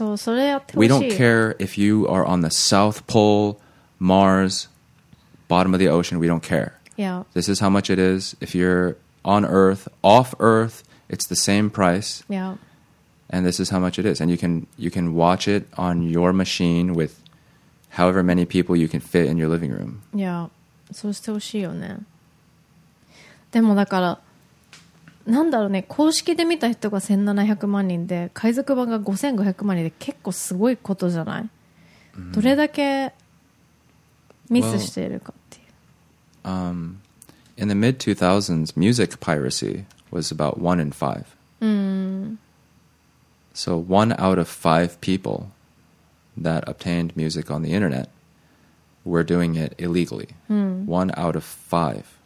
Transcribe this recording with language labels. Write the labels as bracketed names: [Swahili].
[English] We don't care if you are on the South Pole, Mars, bottom of the ocean, we don't care. Yeah. This is how much it is. If you're on Earth, off Earth, it's the same price. Yeah. And this is how much it is. And you can watch it on your machine with however many people you can fit in your living room. Yeah. [Japanese] そうしてほしいよね。でもだからなんだろうね、公式で見た人が1700万人で海賊版が5500万人で結構すごいことじゃない、mm-hmm. どれだけミスしているかっていう。 [English] Well, in the mid-2000s, music piracy was about 1 in 5、 mm-hmm. So 1 out of 5 people that obtained music on the internet were doing it illegally、 mm-hmm. 1 out of 5